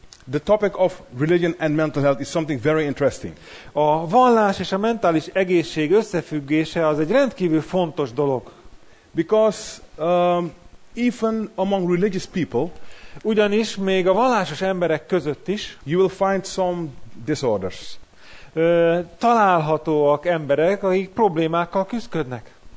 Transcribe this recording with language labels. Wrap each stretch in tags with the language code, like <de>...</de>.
<en>The topic of religion and mental health is something very interesting.</en> <hu>A vallás és a mentális egészség összefüggése az egy rendkívül fontos dolog.</hu> <en>Because even among religious people,</en> <hu>Ugyanis még a vallásos emberek között is</hu> <en>you will find some disorders.</en> <hu>Találhatóak emberek, akik problémákkal küzdködnek.</hu>